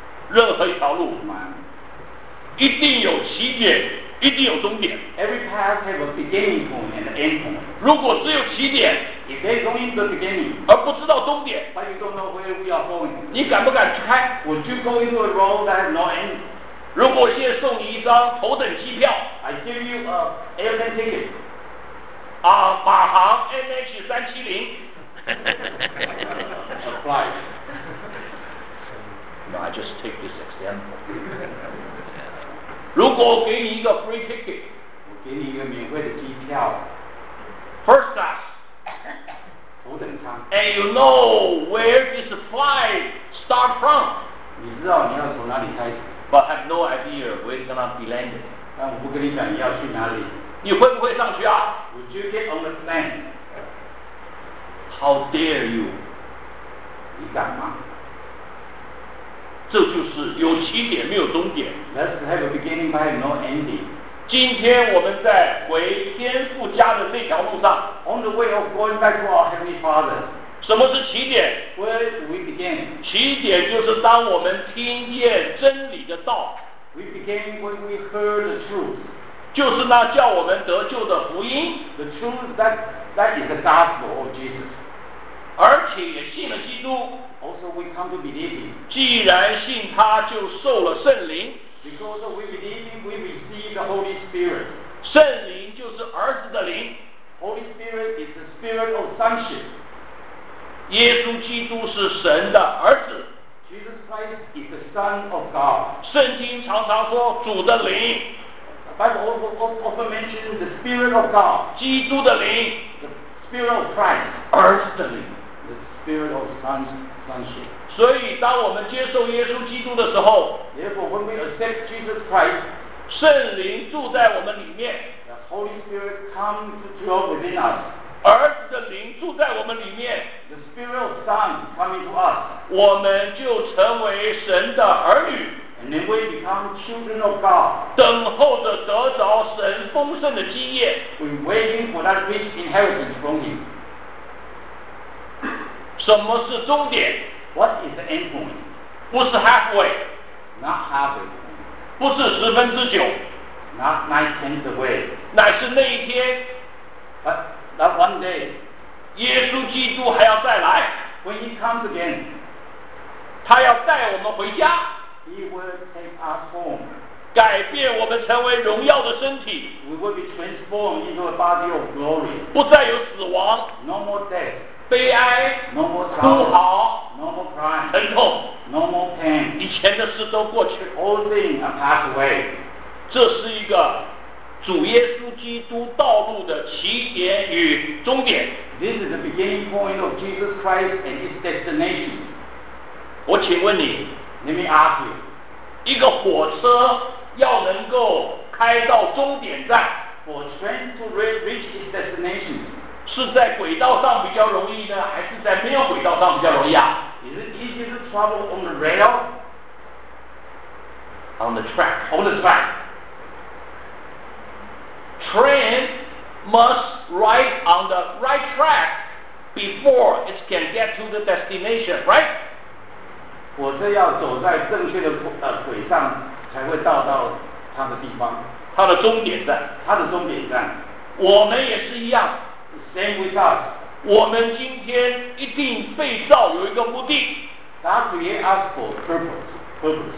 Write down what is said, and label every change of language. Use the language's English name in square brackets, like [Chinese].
[Chinese] 任何一条路，一定有起点，一定有终点。 [English] Every path has a beginning point and an end point。 [Chinese] 如果只有起点 [English] ，If there's only the beginning， [Chinese] 而不知道终点 [English] ，But you don't know where we are going， [Chinese] 你敢不敢去开 [English] ？Would you go into a road that has no end？ [Chinese] 如果我现在送你一张头等机票 [English] I give you an airline ticket [Chinese] 啊，马航 MH370 [English] Apply No, I just take this example [Chinese] 如果我给你一个 [English] free ticket [Chinese] 我给你一个免费的机票 [English] First class [Chinese] 头等舱 [English] And you know where this flight start from [Chinese] 你知道你要从哪里开始 [English] But I have no idea where it's gonna be landed. [Chinese] 但我不跟你讲你要去哪里。你会不会上去啊 [English] ？Would you get on the plane? How dare you? [Chinese] 你敢吗？这就是有起点没有终点。 [English] Let's have a beginning but no ending. [Chinese] 今天我们在回天父家的这条路上 [English] ，On the way of going back to our Heavenly Father. [Chinese] 什么是起点 [English] ？Where do we begin? [Chinese] 起点就是当我们听见真理的道。 [English] We begin when we heard the truth. [Chinese] 就是那叫我们得救的福音。 [English] The truth that is the gospel of Jesus. [Chinese] 而且也信了基督。 [English] Also we come to believe him. [Chinese] 既然信他，就受了圣灵。 [English] Because we believe him, we receive the Holy Spirit. [Chinese] 圣灵就是儿子的灵。 [English] Holy Spirit is the spirit of sonship. [Chinese] 耶稣基督是神的儿子 [English] Jesus Christ is the son of God [Chinese] 圣经常常说主的灵 [English] The Bible also mentions the spirit of God [Chinese] 基督的灵 [English] The spirit of Christ [Chinese] 儿子的灵 [English] The spirit of sonship [Chinese] 所以当我们接受耶稣基督的时候 [English] Therefore when we accept Jesus Christ [Chinese] 圣灵住在我们里面 [English] The Holy Spirit comes to dwell within us [Chinese] 儿子的灵住在我们里面 [English] The spirit of son coming to us [Chinese] 我们就成为神的儿女 [English] And then we become children of God [Chinese] 等候着得着神丰盛的基业 [English] We're waiting for that rich inheritance from him [Chinese] 什么是终点？ [English] What is the end point? [Chinese] 不是 halfway， [English] not halfway， [Chinese] 不是十分之九， [English] not nine tenths away， [Chinese] 乃是那一天。 [English] But that one day， [Chinese] 耶稣基督还要再来。 [English] When he comes again， [Chinese] 他要带我们回家。 [English] He will take us home， [Chinese] 改变我们成为荣耀的身体。 [English] We will be transformed into a body of glory， [Chinese] 不再有死亡。 [English] No more death， [Chinese] 悲哀， [English] no more trouble， [Chinese] 哭嚎， [English] no more crying， [Chinese] 疼痛， [English] no more pain， [Chinese] 以前的事都过去， [English] all things are passed away。 [Chinese] 这是一个主耶稣基督道路的起点与终点。 [English] This is the beginning point of Jesus Christ and his destination。 [Chinese] 我请问你， [English] Let me ask you， [Chinese] 一个火车要能够开到终点站， [English] for train to reach its destination， [Chinese] 是在轨道上比较容易呢，还是在没有轨道上比较容易啊？ [English] Is it easy to travel on the rail? On the track. On the track. Train must ride on the right track before it can get to the destination, right? [Chinese] 火车要走在正确的轨上才会到到它的地方，它的终点站，它的终点站。我们也是一样。 [English] Same with us. [Chinese] 我们今天一定被造有一个目的。 [English] God created us for purpose.